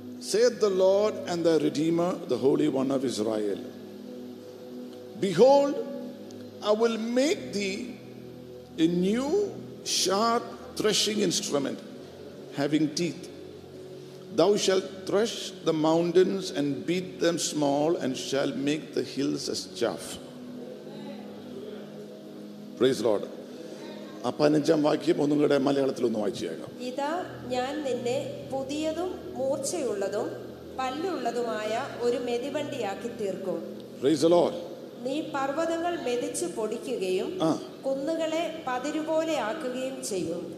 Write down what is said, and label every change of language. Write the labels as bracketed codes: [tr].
[en] Saith the Lord and the redeemer, the holy one of Israel, behold, I will make thee a new sharp threshing instrument having teeth. Thou shalt thresh the mountains and beat them small, and shall make the hills as chaff. Praise the Lord. [ml] അപ്പനഞ്ചം വാക്യം ഒന്നും കൂടെ മലയാളത്തിൽ ഒന്ന് വായിച്ചേക്കാം. ഇതാ, ഞാൻ നിന്നെ പുതിയതും മൂർച്ചയുള്ളതും പല്ലുള്ളതുമായ ഒരു മെതിവണ്ടിയാക്കി തീർക്കും. [en] Praise the Lord. [ml] നീ പർവ്വതങ്ങൾ മെതിച്ച് പൊടിക്കുകയും കുന്നുകളെ പതിരുപോലെ ആക്കുകയും ചെയ്യും.